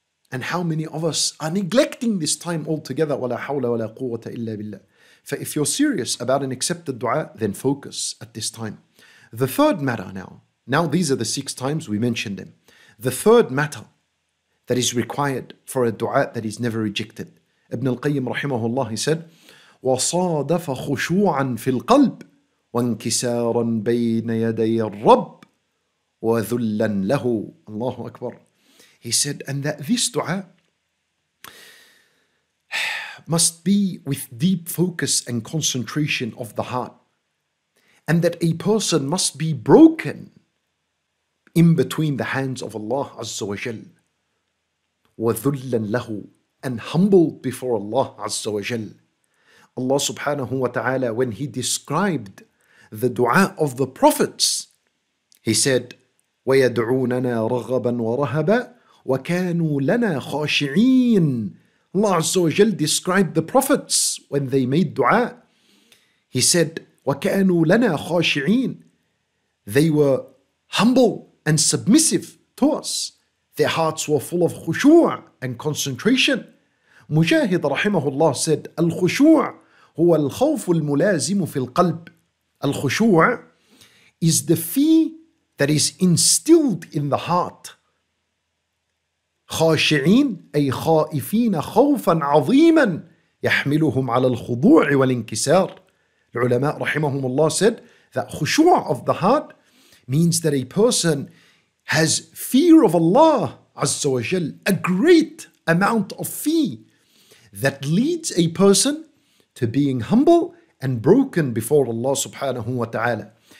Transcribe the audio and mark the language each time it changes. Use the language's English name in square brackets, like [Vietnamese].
[English] And how many of us are neglecting this time altogether? [Arabic] وَلَا حَوْلَ وَلَا قُوَّةَ إِلَّا بِاللَّهِ. [English] For if you're serious about an accepted dua, then focus at this time. The third matter now. Now these are the six times we mentioned them. The third matter that is required for a dua that is never rejected. [Arabic] Ibn al-Qayyim rahimahullah, [English] he said, [Arabic] وَصَادَفَ خُشُوعًا فِي الْقَلْبِ وَانْكِسَارًا بَيْنَ يَدَيَ الرَّبِّ وَذُلًّا لَهُ. Allahu Akbar. [English] He said, and that this dua must be with deep focus and concentration of the heart. And that a person must be broken in between the hands of Allah Azza wa Jal. [Arabic] وَذُلًّا لَهُ. [English] And humbled before Allah Azza wa Jal. Allah subhanahu wa ta'ala, when he described the dua of the prophets, he said, [Arabic] وَيَدْعُونَنَا رَغَبًا وَرَهَبًا وَكَانُوا لَنَا خَاشِعِينَ. [English] Allah Azza wa Jal described the prophets when they made dua. He said, [Arabic] وَكَانُوا لَنَا خَاشِعِينَ. [English] They were humble and submissive to us. Their hearts were full of khushu' and concentration. [Arabic] Mujahid rahimahullah [English] said, [Arabic] الْخُشُوع هُوَ الْخَوْفُ الْمُلَازِمُ فِي الْقَلْبِ. [English] الْخُشُوع is the fear that is instilled in the heart. [Arabic] خاشعين أي خائفين خوفا عظيما يحملهم على الخضوع والانكسار. العلماء رحمهم الله [English] said that خشوع of the heart means that a person has fear of Allah عز وجل, a great amount of fear that leads a person to being humble and broken before Allah subhanahu wa ta'ala.